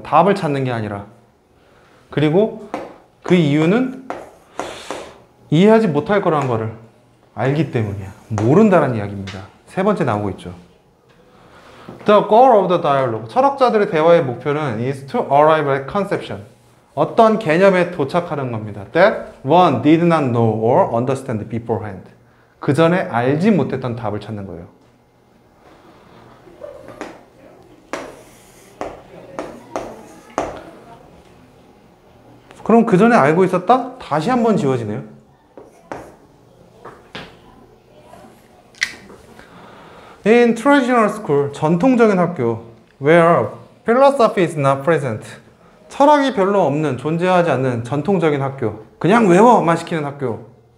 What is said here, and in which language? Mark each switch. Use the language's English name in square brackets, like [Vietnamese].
[Korean] 답을 찾는 게 아니라. 그리고 그 이유는 이해하지 못할 거라는 거를 알기 때문이야. 모른다는 이야기입니다. 세 번째 나오고 있죠. [English] The goal of the dialogue. [Korean] 철학자들의 대화의 목표는 [English] is to arrive at conception. [Korean] 어떤 개념에 도착하는 겁니다. [English] That one did not know or understand beforehand. [Korean] 그 전에 알지 못했던 답을 찾는 거예요. 그럼 그 전에 알고 있었다? 다시 한번 지워지네요. [English] In traditional school, [Korean] 전통적인 학교, [English] where philosophy is not present. [Korean] 철학이 별로 없는, 존재하지 않는 전통적인 학교. 그냥 외워만 시키는 학교.